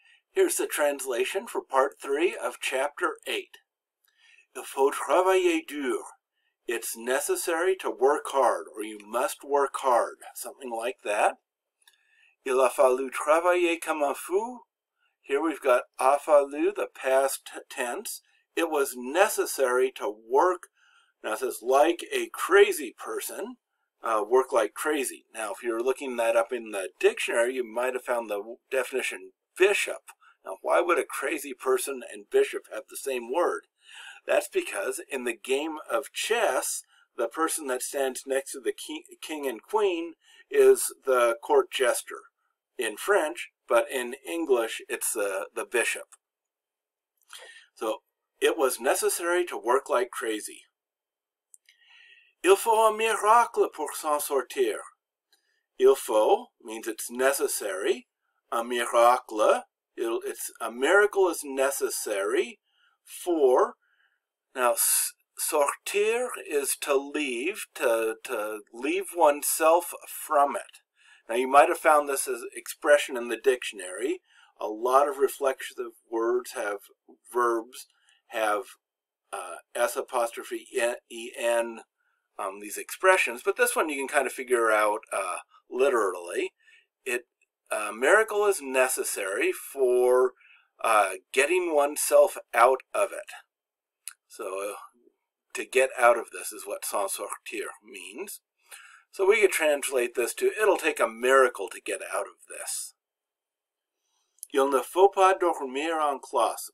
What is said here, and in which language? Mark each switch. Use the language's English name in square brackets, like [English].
[English] Here's the translation for part 3 of chapter 8. [French] Il faut travailler dur. [English] It's necessary to work hard, or you must work hard. Something like that. [French] Il a fallu travailler comme un fou. [English] Here we've got a fallu, the past tense. It was necessary to work, now it says like a crazy person, work like crazy. Now, if you're looking that up in the dictionary, you might have found the definition bishop. Now, why would a crazy person and bishop have the same word? That's because in the game of chess, the person that stands next to the king and queen is the court jester in French, but in English, it's the bishop. So, it was necessary to work like crazy. [French] Il faut un miracle pour s'en sortir. [English] Il faut means it's necessary. Un miracle, it's a miracle is necessary for. Now, sortir is to leave, to leave oneself from it. Now, you might have found this as expression in the dictionary. A lot of reflexive words have verbs, have S apostrophe E-N, these expressions. But this one you can kind of figure out literally. A miracle is necessary for getting oneself out of it. So to get out of this is what sans sortir means. So we could translate this to, it'll take a miracle to get out of this. [French] Il ne faut pas dormir en classe.